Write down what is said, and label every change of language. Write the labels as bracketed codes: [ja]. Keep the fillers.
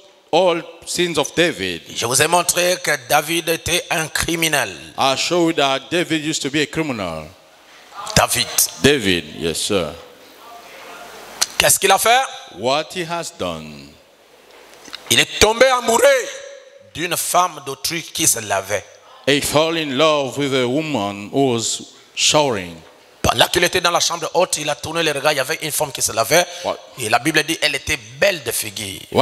[en] all sins of David. [fr] Je vous ai montré que David était un criminel. [en] I showed that David used to be a criminal. [fr] David. David, [en] yes sir. [fr] Qu'est-ce qu'il a fait? [en] What he has done? [fr] Il est tombé amoureux d'une femme d'autrui qui se lavait. [en] He fell in love with a woman who was showering. [fr] Là qu'il était dans la chambre haute, il a tourné les regards, il y avait une femme qui se lavait. Wow. Et la Bible dit elle était belle de figure.